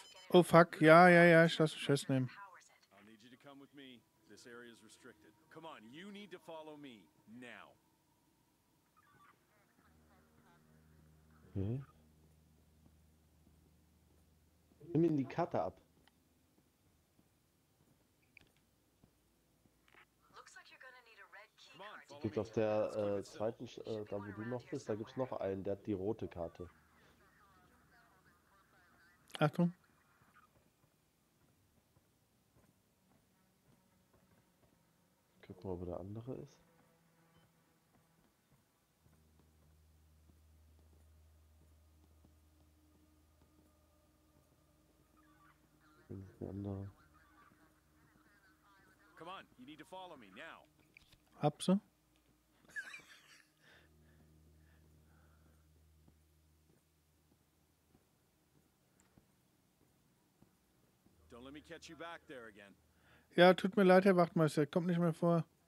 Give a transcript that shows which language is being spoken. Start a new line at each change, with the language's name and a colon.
German: Oh fuck, ja, ich lass mich festnehmen.
English: I'll need you to come with me. This area is restricted. Come on, you need to follow me now. Hm?
German: Nimm ihn die Karte ab.
English: Looks like you're gonna need a red key.
German: Gibt auf der zweiten da wo du noch bist, da gibt's noch einen, der hat die rote Karte. Achtung. Wo der andere ist. Der andere.
English: Come on, you need to follow me now.
German: Hab sie.
English: Don't let me catch you back there again.
German: Ja, tut mir leid, Herr Wachtmeister, kommt nicht mehr vor.